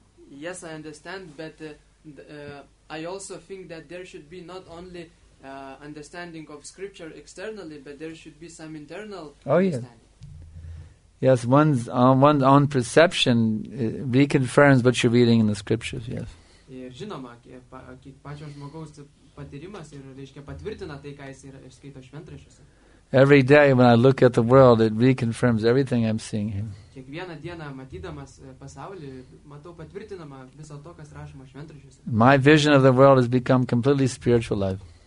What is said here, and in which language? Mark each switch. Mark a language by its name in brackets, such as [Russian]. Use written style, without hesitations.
[English] Yes, I understand, but I also think that there should be not only understanding of scripture externally, but there should be some internal understanding. Yes, one's own perception reconfirms what you're reading in the scriptures, yes. [Lithuanian] Ir žinoma, pačio žmogaus patyrimas ir, reiškia, patvirtina tai, ką jis skaito šventraščiuose. [English] Every day when I look at the world, it reconfirms everything I'm seeing here. [Lithuanian] Kiekvieną dieną matydamas pasaulį, matau patvirtinama viso to, kas rašoma šventraščiuose. [English] My vision of the world has become completely spiritual life.